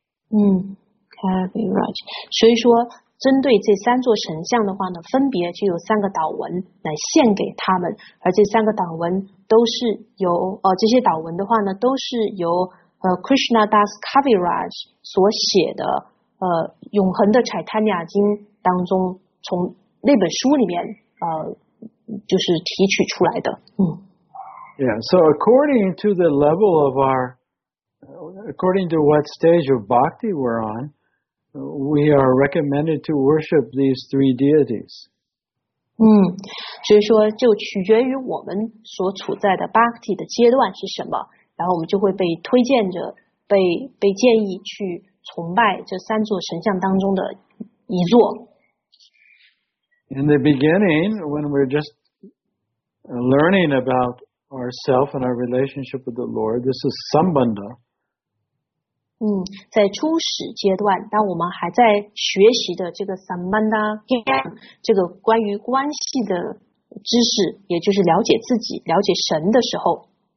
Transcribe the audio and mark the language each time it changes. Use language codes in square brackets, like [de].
[zh] Kaviraj, 所以说。针对这三座神像的话呢，分别就有三个祷文来献给他们，而这三个祷文都是由这些祷文的话呢，都是由Krishna Das Kaviraj 所写的永恒的 Chaitanya 经当中，从那本书里面就是提取出来的。 [en] Yeah, so according to the level of our, according to what stage of bhakti we're on. We are recommended to worship these three deities. [zh] 所以说就取决于我们所处在的 bhakti 的阶段是什么，然后我们就会被推荐着被建议去崇拜这三座神像当中的一座。 [en] In the beginning, when we're just learning about ourselves and our relationship with the Lord, this is sambandha. [zh] 在初始阶段，当我们还在学习的这个 Sambandha Gyan 这个关于关系的知识，也就是了解自己、了解神的时候。